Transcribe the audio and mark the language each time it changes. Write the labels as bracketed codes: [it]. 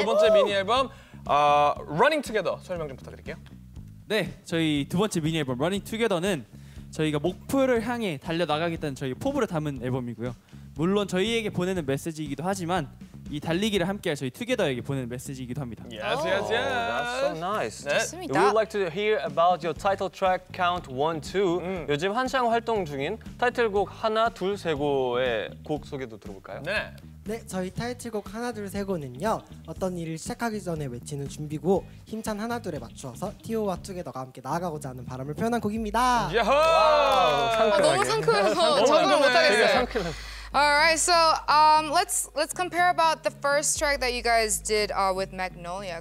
[ko] 두 번째 미니 앨범, Running Together 설명 좀 부탁드릴게요. 네, 저희 두 번째 미니 앨범, Running Together는 저희가 목표를 향해 달려나가겠다는 저희 포부를 담은 앨범이고요. 물론 저희에게 보내는 메시지이기도 하지만 이 달리기를 함께할 저희 투게더에게 보낸 메시지이기도 합니다. [en] Yes, yes, yes. That's so nice. [ko] 좋습니다. [en] We would like to hear about your title track count 1, 2. [ko] 요즘 한창 활동 중인 타이틀곡 하나, 둘, 세 고의 곡 소개도 들어볼까요? 네. 네, 저희 타이틀곡 하나, 둘, 세 고는요. 어떤 일을 시작하기 전에 외치는 준비고 힘찬 하나, 둘에 맞추어서 티오와 투게더가 함께 나아가고자 하는 바람을 표현한 곡입니다. 야호! 너무 상큼해서 적응을 못하겠어요. 상큼해. [en] Alright, so let's compare about the first track that you guys did with Magnolia.